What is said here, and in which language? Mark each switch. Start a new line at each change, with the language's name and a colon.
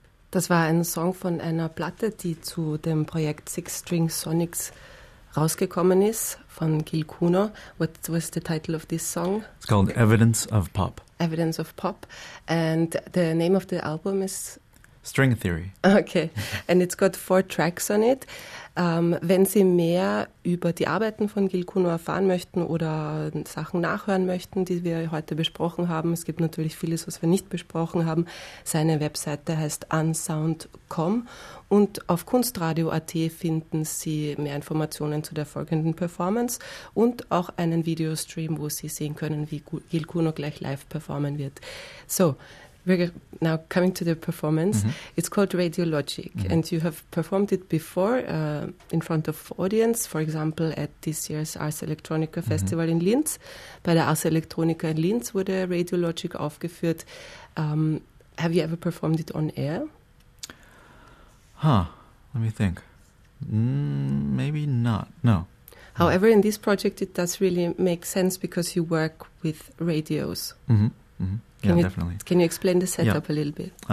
German: Das war ein Song von einer Platte, die zu dem Projekt Six String Sonics rausgekommen ist, von Gil Kuno.
English: What was the title of this song? It's called Evidence of Pop. Evidence of Pop. And the name of the album is? String Theory. Okay. And it's got 4 tracks on it.
German: Wenn Sie mehr über die Arbeiten von Gil Kuno erfahren möchten oder Sachen nachhören möchten, die wir heute besprochen haben, es gibt natürlich vieles, was wir nicht besprochen haben, seine Webseite heißt unsound.com und auf kunstradio.at finden Sie mehr Informationen zu der folgenden Performance und auch einen Videostream, wo Sie sehen können, wie Gil Kuno gleich live performen wird.
English: So, we're now coming to the performance. Mm-hmm. It's called Radiologic, mm-hmm. and you have performed it before in front of audience, for example, at this year's Ars Electronica mm-hmm. Festival in Linz.
German: Bei der Ars Electronica in Linz wurde Radiologic aufgeführt.
English: Have you ever performed it on air? Huh, let me think. Maybe not, no. However, in this project, it does really make sense because you work with radios. Mm-hmm, mm-hmm. Definitely. Can you explain the setup a little bit?